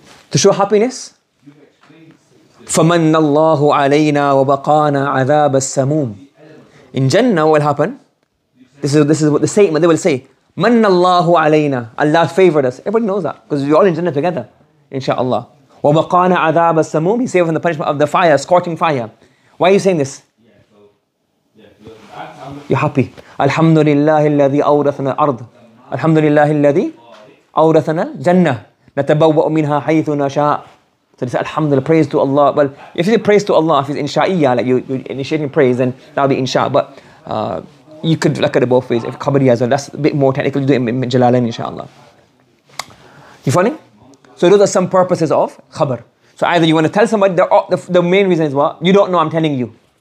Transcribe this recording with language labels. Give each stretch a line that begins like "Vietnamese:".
English: To show happiness?
Arabic: فَمَنَّ اللَّهُ عَلَيْنَا وَبَقَانَا عَذَابَ السَّمُومِ.
English: In Jannah, what will happen? This is what the statement they will say.
Arabic: مَنَّ اللَّهُ عَلَيْنَا.
English: Allah favored us. Everybody knows that. Because we're all in Jannah together.
Arabic: InshaAllah. وَبَقَانَ عَذَابَ السَّمُومِ.
English: He saved us from the punishment of the fire, scorching fire. Why are you saying this? You're happy.
Arabic: الحمد لله الذي أورثنا الأرض. الحمد لله الذي أورثنا الجنة. نتبوأ منها حيث نشاء.
English: So they say, Alhamdulillah, praise to Allah. Well, if you say praise to Allah, if it's insha'iyya, like you're initiating praise, then that'll be insha'. But you could look at it both ways. If khabariya as well, that's a bit more technical. You do it in jalalain, insha'Allah. You following? So those are some purposes of khabar. So either you want to tell somebody, the main reason is what? You don't know, I'm telling you.